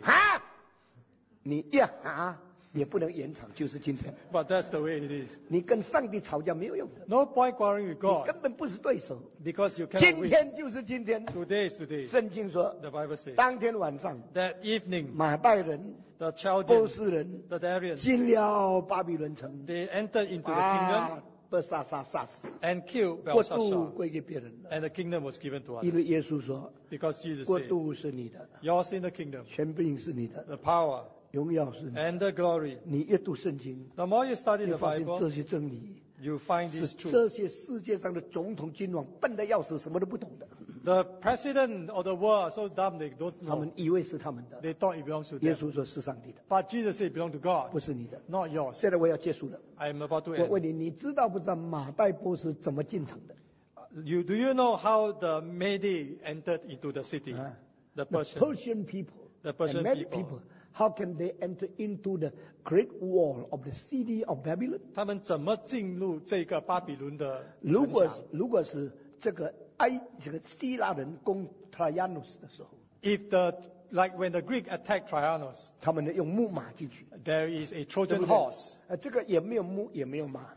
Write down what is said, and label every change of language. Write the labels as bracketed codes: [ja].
[zh] 哈，你呀哈，也不能延长，就是今天。 [en] But that's the way it is。 [zh] 你跟上帝吵架没有用的 [en] ，No point quarreling with God。 [zh] 你根本不是对手 [en] ，Because you can't win。 [zh] 今天就是今天 [en] ，Today is today。 [zh] 圣经说 [en] ，The Bible says， [zh] 当天晚上 [en] ，That evening， [zh] 马代人。 [en] The Chaldeans, [zh] 波斯人 [en] the Darians, [zh] 进了巴比伦城 [en] they entered into the kingdom, [zh] 把巴沙沙杀死 [en] and killed Belshazzar, [zh] 国度归给别人 [en] and the kingdom was given to us [zh] 因为耶稣说 [en] because Jesus said [zh] 国度是你的 [en] yours in the kingdom [zh] 权柄是你的 [en] the power [zh] 荣耀是你的 [en] and the glory [zh] 你阅读圣经 [en] the more you study the Bible [zh] 你发现这些真理 [en] you find this truth [zh] 是这些世界上的总统君王笨得要死什么都不懂的 [en] The president of the world are so dumb they don't know. [zh] 他们以为是他们的。 [en] They thought it belongs to them. [zh] 耶稣说是上帝的。 [en] But Jesus said it belongs to God. [zh] 不是你的。 [en] Not yours. [zh] 现在我要结束了。 [en] I am about to end. [zh] 我问你，你知道不知道马代波斯怎么进城的 [en] ？Do you know how the Medi entered into the city? The Persian people. The Persian people. Many people How can they enter into the great wall of the city of Babylon? [zh] 他们怎么进入这个巴比伦的城墙？如果是这个埃这个希腊人攻 Trajanus 的时候 [en] ，If the like when the Greek attacked Trajanus， [zh] 他们用木马进去。 [en] There is a Trojan horse。 [zh] 这个也没有木，也没有马。